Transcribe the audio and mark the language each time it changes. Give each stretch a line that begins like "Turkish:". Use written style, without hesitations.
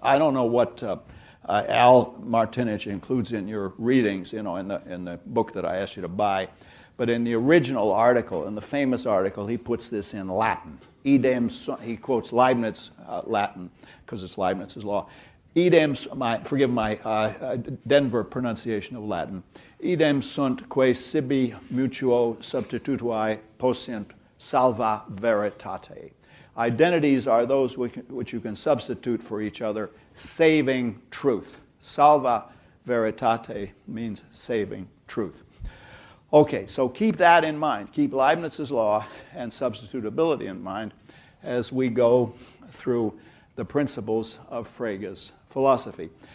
English: I don't know what Al Martinich includes in your readings, you know, in the book that I asked you to buy, but in the original article, in the famous article, he puts this in Latin. Idem, he quotes Leibniz Latin because it's Leibniz's law. Idem, forgive my Denver pronunciation of Latin.
Latin: Idem sunt quae sibi mutuo substitutuae possint salva veritate.
English: Identities are those which you can substitute for each other, saving truth. Salva veritate means saving truth. Okay, so keep that in mind. Keep Leibniz's law and substitutability in mind as we go through the principles of Frege's philosophy.